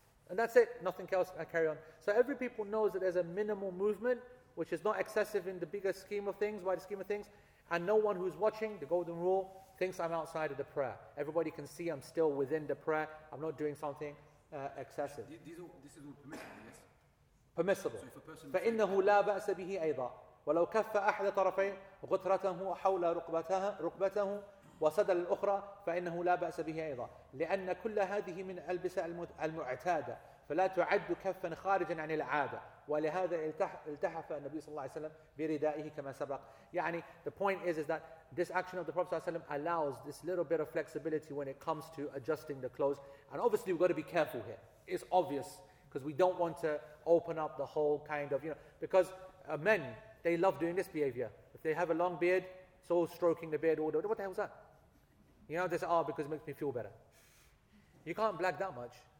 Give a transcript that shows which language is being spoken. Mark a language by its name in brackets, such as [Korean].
[English] And that's it, nothing else, I carry on. So every people knows that there's a minimal movement, which is not excessive in the bigger scheme of things, wider scheme of things, and no one who's watching, the golden rule, thinks I'm outside of the prayer. Everybody can see I'm still within the prayer, I'm not doing something excessive. This is all permissible, yes? Permissible. [Arabic] فَإِنَّهُ لَا بَأْسَ بِهِ أَيْضًا وَلَوْ كَفَّ أَحْدَ طَرَفَيْهِ غُطْرَتَهُ حَوْلَ رُكْبَتَهُ وصدر الأخرى فإنه لا بأس به أيضا لأن كل هذه من ألبسة المعتادة فلا تعد كفا خارجا عن العادة ولهذا التحف النبي صلى الله عليه وسلم بردائه كما سبق. [English] يعني the point is that this action of the Prophet [Arabic] صلى الله عليه وسلم [English] allows this little bit of flexibility when it comes to adjusting the clothes. And obviously we've got to be careful here. It's obvious because we don't want to open up the whole kind of, you know, because men, they love doing this behavior. If they have a long beard, it's all stroking the beard all the way. What the hell is that? You know, they say, oh, because it makes me feel better. You can't black that much.